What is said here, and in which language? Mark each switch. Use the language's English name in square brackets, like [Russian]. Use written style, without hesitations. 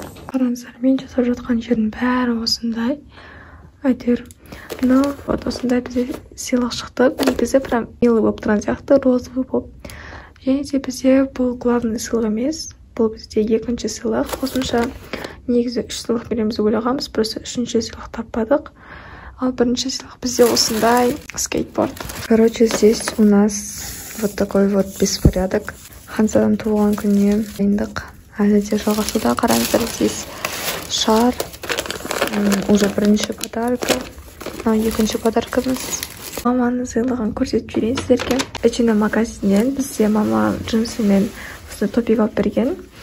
[Kazakh] Қараңыздар, мен жасап жатқан жердің бәрі осындай. Әйтеуір, [Russian] ну, вот [Kazakh] осындай бізде сыйлық шықты. Бізде прям милый болып тұрған сияқты, розовый болып. Және де бізде бұл главный сыйлық емес. Бұл бізде екінші сыйлық. Қосымша негізі үш сыйлық береміз ойлағанбыз, просто үшінші сыйлық таппадық. Ал бірінші сыйлық бізде осындай скейтборд. [Russian] Короче, здесь у нас вот такой вот беспорядок. [Kazakh] Ханзадан туған күніне дайындық. Әлі де жалғасуда. Қараңыздар, [Russian] здесь [Kazakh] шар. Уже бірінші подарка. Мынау екінші подаркамыз. Маманың сыйлығын көрсетіп жіберейін сіздерге. Әчіне магазиннен бізде мама джинсымен осы топик алып берген.